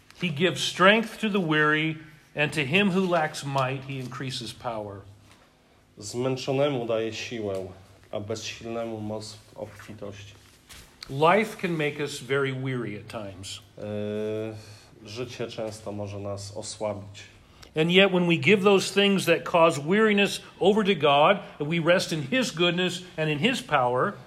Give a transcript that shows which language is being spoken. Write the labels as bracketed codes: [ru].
[en] He gives strength to the weary, and to him who lacks might, he increases power. [pl] Zmęczonemu daje siłę, a bezsilnemu moc w obfitości. [en] Life can make us very weary at times. [pl] Życie często może nas osłabić. [en] And yet when we give those things that cause weariness over to God, we rest in his goodness and in his power.